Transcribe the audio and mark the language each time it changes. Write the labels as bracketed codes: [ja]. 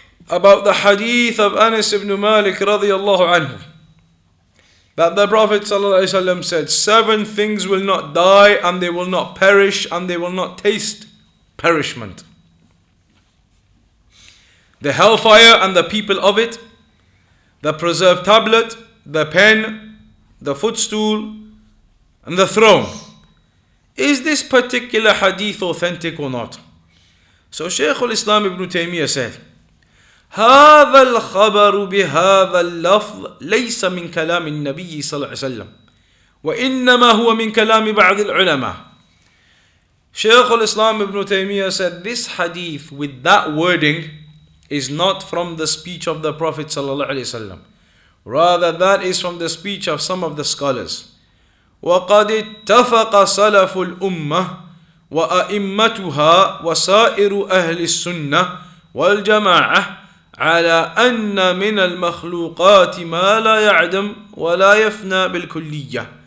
[en] about the hadith of Anas ibn Malik [ar] رضي الله عنه [en] that the Prophet [ar] صلى الله عليه وسلم [en] said seven things will not die and they will not perish and they will not taste perishment. The hellfire and the people of it, the preserved tablet, the pen, the footstool, and the throne. Is this particular hadith authentic or not? So Shaykh al-Islam ibn Taymiyyah said, [ar] هذا الخبر بهذا اللفظ ليس من كلام النبي صلى الله عليه وسلم وإنما هو من كلام بعض العلماء. [en] Shaykh al-Islam ibn Taymiyyah said, this hadith with that wording is not from the speech of the Prophet sallallahu alaihi wasallam. Rather, that is from the speech of some of the scholars. [ar] وَقَدِ اتَّفَقَ صَلَفُ الْأُمَّةِ وَأَئِمَّتُهَا وَسَائِرُ أَهْلِ السُّنَّةِ وَالْجَمَاعَةِ عَلَىٰ أَنَّ مِنَ الْمَخْلُوقَاتِ مَا لَا يَعْدَمْ وَلَا يَفْنَى بِالْكُلِّيَّةِ.